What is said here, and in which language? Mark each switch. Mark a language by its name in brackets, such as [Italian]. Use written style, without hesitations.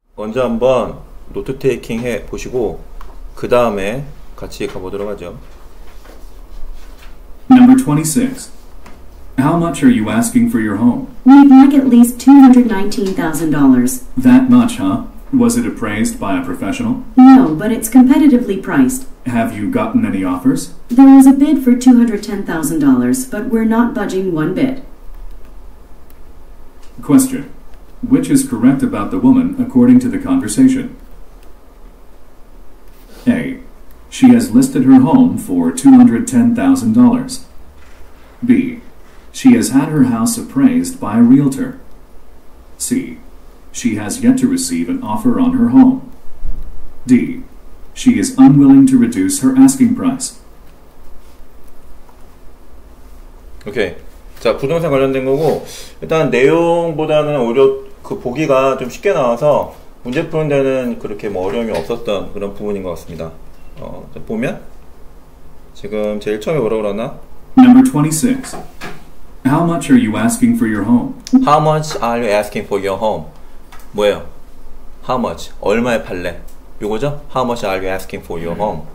[Korean] 먼저 한번 노트 테이킹 해 보시고 그 다음에 같이 가보도록 하죠. [English] Number 26. How much are you asking for your home? We'd like at least $219,000. That much, huh? Was it appraised by a professional? No, but it's competitively priced. Have you gotten any offers? There is a bid for $210,000, but we're not budging one bit. Question. Which is correct about the woman according to the conversation? A. She has listed her home for $210,000. B. She has had her house appraised by a realtor. C. She has yet to receive an offer on her home. D. She is unwilling to reduce her asking price. [Korean] 오케이. 자, 부동산 관련된 거고, 일단 내용보다는 오히려 그 보기가 좀 쉽게 나와서 문제 푸는 데는 그렇게 뭐 어려움이 없었던 그런 부분인 것 같습니다. 보면 지금 제일 처음에 뭐라고 그러나? [English] Number 26. How much are you asking for your home? How much are you asking for your home? [Korean] 뭐예요? [English] How much? [Korean] 얼마에 팔래? 이거죠? [English] How much are you asking for your home?